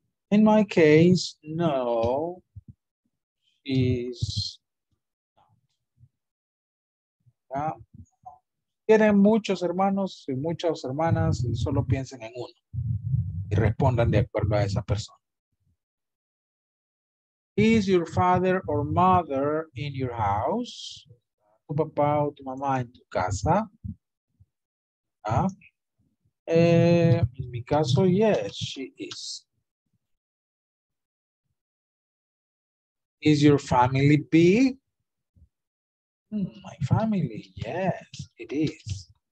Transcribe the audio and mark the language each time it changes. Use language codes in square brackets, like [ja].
[en] In my case, no, is not. [es] Tienen muchos hermanos y muchas hermanas y solo piensen en uno y respondan de acuerdo a esa persona. [en] Is your father or mother in your house? [es] ¿Tu papá o tu mamá en tu casa? En mi caso, [en] yes, she is. Is your family big? My family, yes, it is.